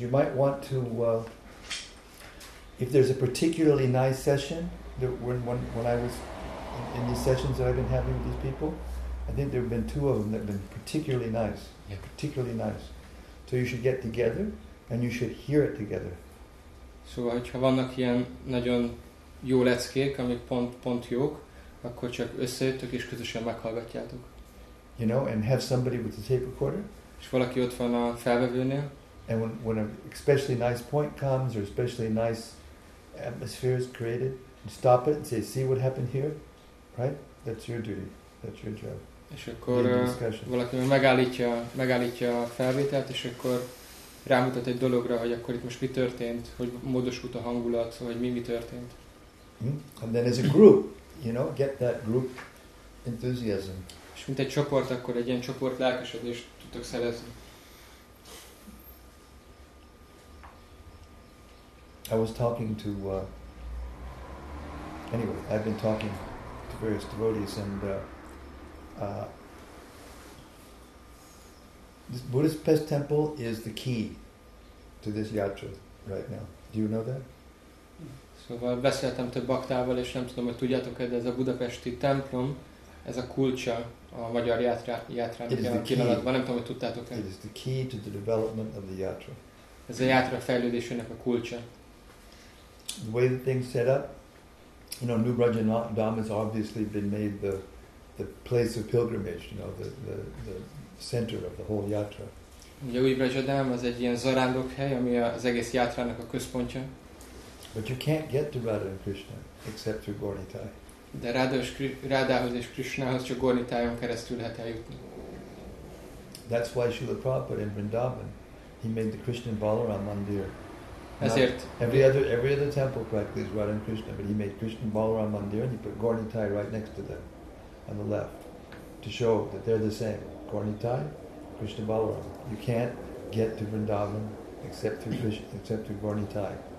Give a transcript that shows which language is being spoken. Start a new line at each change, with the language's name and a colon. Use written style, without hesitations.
English: You might want to, if there's a particularly nice session, that when I was in these sessions that I've been having with these people, I think there have been two of them that have been particularly nice. Yeah. Particularly nice. So you should get together and you should hear it together.
Hungarian: Szóval, hogyha vannak ilyen nagyon jó leckék, amik pont jók, akkor csak összejöttök és közösen meghallgatjátok.
English: You know, and have somebody with the tape recorder.
Hungarian: És valaki ott van a felvevőnél.
English: And when an especially nice point comes or especially nice atmosphere is created, stop it and say, see what happened here, right? That's your duty. That's your job.
Hungarian: És akkor valaki megállítja a felvételt, és akkor rámutat egy dologra, hogy akkor itt most mi történt, hogy módosult a hangulat, vagy mi történt.
English: And then as a group, you know, get that group enthusiasm.
Hungarian: És mint egy csoport, akkor egy ilyen csoport lelkesedést tudtok szerezni.
English: I was talking to, anyway, I've been talking to various devotees, and this Buddhist Pest Temple is the key to this yatra right now. Do you know that?
Hungarian: Szóval beszéltem több baktával, és nem tudom, hogy tudjátok-e, de ez a budapesti templom, ez a kulcsa a magyar játrának pillanatban. Nem tudom, hogy tudtátok-e.
English: It is the key to the development of the yatra.
Hungarian: Ez a yatra fejlődésének a kulcsa.
English: The way the thing's set up, you know, Nubrajanadham has obviously been made the place of pilgrimage, you know, the center of the whole yatra.
Hungarian: Ugye új Brajadám az egy ilyen zarándokhely, ami az egész játrának a központja.
English: But you can't get to Radha and Krishna except through Gornitai.
Hungarian: De Rádához és Krishnához csak Gornitájon keresztül lehet eljutni.
English: That's why Srila Prabhupada in Vrindavan, he made the Krishna Balaram Mandir.
Hungarian: Ezért.
English: Every other temple practically is Radha and Krishna, but he made Krishna Balaram Mandir and he put Gornitai right next to them, on the left, to show that they're the same. Gornitai, Krishna Balaram. You can't get to Vrindavan except through Gornitai.